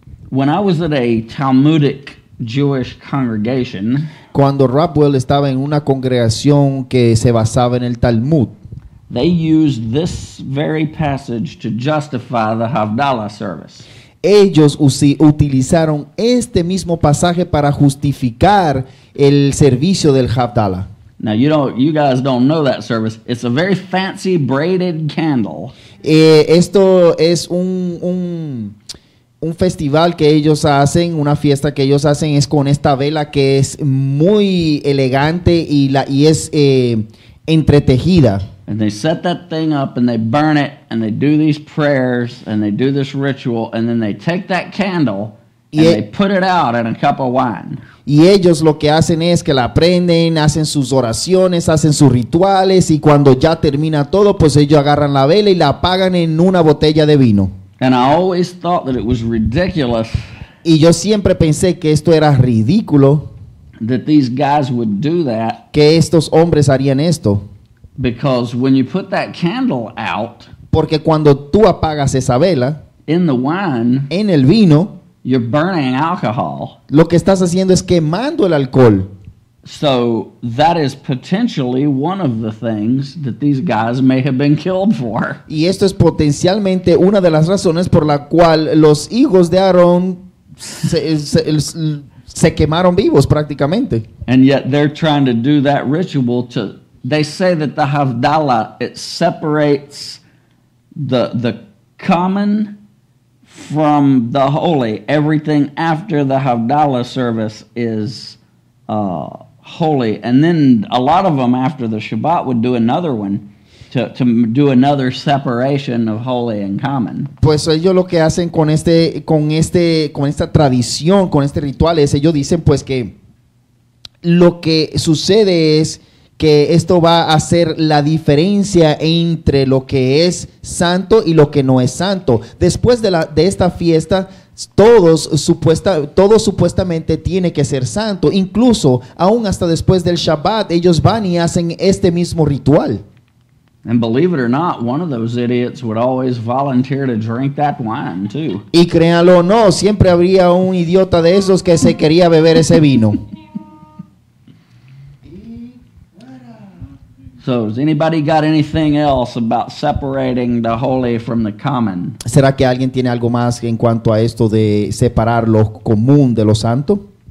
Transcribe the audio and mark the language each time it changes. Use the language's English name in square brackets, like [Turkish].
[English] When I was at a Talmudic Jewish congregation, [Spanish] cuando Rapwell estaba en una congregación que se basaba en el Talmud, [English] they used this very passage to justify the Havdalah service. [Spanish] Ellos utilizaron este mismo pasaje para justificar el servicio del Havdalah. [English] Now, you guys don't know that service. It's a very fancy braided candle. [Spanish] Esto es un festival que ellos hacen, una fiesta que ellos hacen es con esta vela que es muy elegante y es entretejida. [English] And they set that thing up and they burn it and they do these prayers and they do this ritual and then they take that candle and they put it out in a cup of wine. [Spanish] Y ellos lo que hacen es que la prenden, hacen sus oraciones, hacen sus rituales y cuando ya termina todo, pues ellos agarran la vela y la apagan en una botella de vino. [English] And I always thought that it was ridiculous. [Spanish] Y yo siempre pensé que esto era ridículo. [English] That these guys would do that. [Spanish] Que estos hombres harían esto. [English] Because when you put that candle out, [Spanish] porque cuando tú apagas esa vela, [English] in the wine, [Spanish] en el vino, [English] you're burning alcohol. [Spanish] Lo que estás haciendo es quemando el alcohol. [English] So that is potentially one of the things that these guys may have been killed for. [Spanish] Y esto es potencialmente una de las razones por la cual los hijos de Aarón se quemaron vivos prácticamente. [English] And yet they're trying to do that ritual to. They say that the Havdalah, it separates the common from the holy. Everything after the Havdalah service is holy. And then a lot of them after the Shabbat would do another one to do another separation of holy and common. [Spanish] Pues ellos lo que hacen con esta tradición, con este ritual, es ellos dicen pues que lo que sucede es que esto va a hacer la diferencia entre lo que es santo y lo que no es santo. Después de esta fiesta, todo supuestamente tiene que ser santo. Incluso, aún hasta después del Shabbat, ellos van y hacen este mismo ritual. [English] And believe it or not, one of those idiots would always volunteer to drink that wine too. [Spanish] Y créanlo o no, siempre habría un idiota de esos que se quería beber ese vino. [English] So, has anybody got anything else about separating the holy from the common? [Spanish] ¿Será que alguien tiene algo más en cuanto a esto de separar lo común de lo santo?